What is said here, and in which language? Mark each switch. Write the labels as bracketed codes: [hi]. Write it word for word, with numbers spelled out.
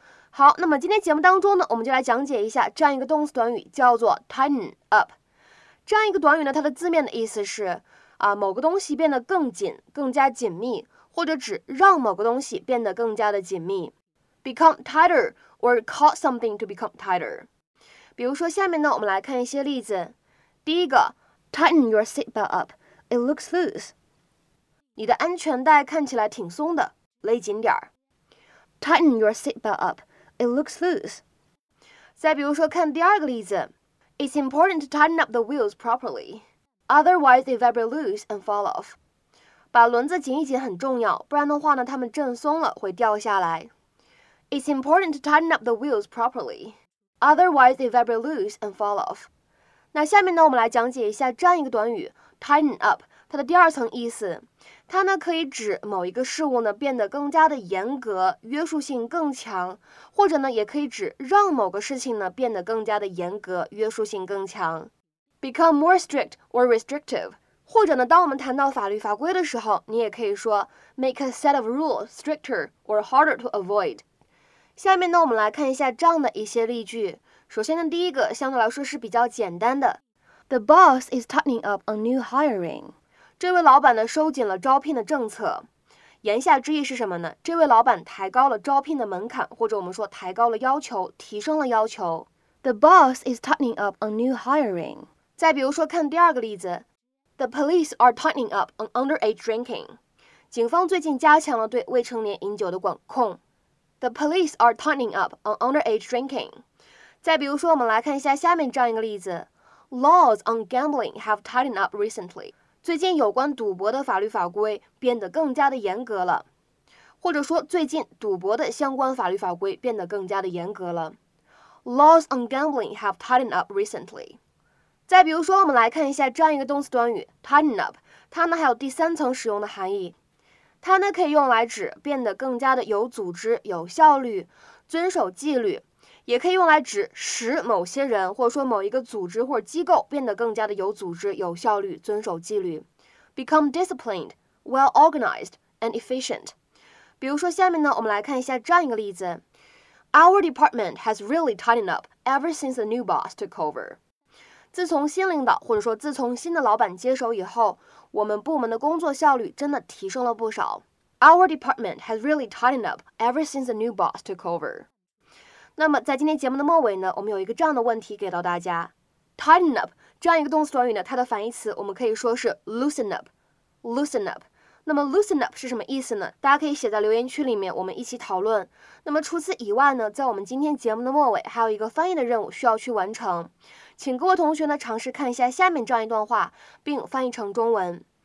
[zh] 好，那么今天节目当中呢，我们就来讲解一下这样一个动词短语，叫做 tighten up。这样一个短语呢，它的字面的意思是啊，某个东西变得更紧、更加紧密，或者指让某个东西变得更加的紧密。 [en] Become tighter or cause something to become tighter. [zh] 比如说下面呢我们来看一些例子。第一个 [en] ,tighten your seatbelt up, it looks loose. [zh] 你的安全带看起来挺松的，勒紧点儿。 [en] Tighten your seatbelt up, it looks loose. [zh] 再比如说看第二个例子 [en] ,It's important to tighten up the wheels properly, otherwise they vibrate loose and fall off. [zh] 把轮子紧一紧很重要，不然的话呢它们震松了会掉下来。 [en] It's important to tighten up the wheels properly, otherwise they vibrate loose and fall off. [zh] 那下面呢，我们来讲解一下这样一个短语 tighten up 它的第二层意思。它呢可以指某一个事物呢变得更加的严格，约束性更强，或者呢也可以指让某个事情呢变得更加的严格，约束性更强。 [en] Become more strict or restrictive. [zh] 或者呢，当我们谈到法律法规的时候，你也可以说 [en] make a set of rules stricter or harder to avoid. [zh] 下面呢我们来看一下这样的一些例句。首先呢第一个相对来说是比较简单的。 [en] The boss is tightening up on new hiring. [zh] 这位老板呢收紧了招聘的政策。言下之意是什么呢？这位老板抬高了招聘的门槛，或者我们说抬高了要求，提升了要求。 [en] The boss is tightening up on new hiring. [zh] 再比如说看第二个例子。 [en] The police are tightening up on underage drinking. [zh] 警方最近加强了对未成年饮酒的管控。 [en] The police are tightening up on underage drinking. [zh] 再比如说我们来看一下下面这样一个例子。 [en] Laws on gambling have tightened up recently. [zh] 最近有关赌博的法律法规变得更加的严格了。或者说最近赌博的相关法律法规变得更加的严格了。 [en] Laws on gambling have tightened up recently. [zh] 再比如说我们来看一下这样一个动词短语 tighten up. 它呢还有第三层使用的含义。它呢可以用来指变得更加的有组织、有效率，遵守纪律，也可以用来指使某些人或者说某一个组织或者机构变得更加的有组织、有效率，遵守纪律。 [en] Become disciplined, well organized and efficient. [zh] 比如说下面呢我们来看一下这样一个例子。 [en] Our department has really tightened up ever since the new boss took over. [zh] 自从新领导或者说自从新的老板接手以后，我们部门的工作效率真的提升了不少。 [en] Our department has really tightened up ever since the new boss took over. [zh] 那么在今天节目的末尾呢，我们有一个这样的问题给到大家。 tighten up 这样一个动词短语呢，它的反义词我们可以说是 loosen up, loosen up。那么 loosen up 是什么意思呢？大家可以写在留言区里面，我们一起讨论。那么除此以外呢，在我们今天节目的末尾，还有一个翻译的任务需要去完成。请各位同学呢，尝试看一下下面这样一段话，并翻译成中文。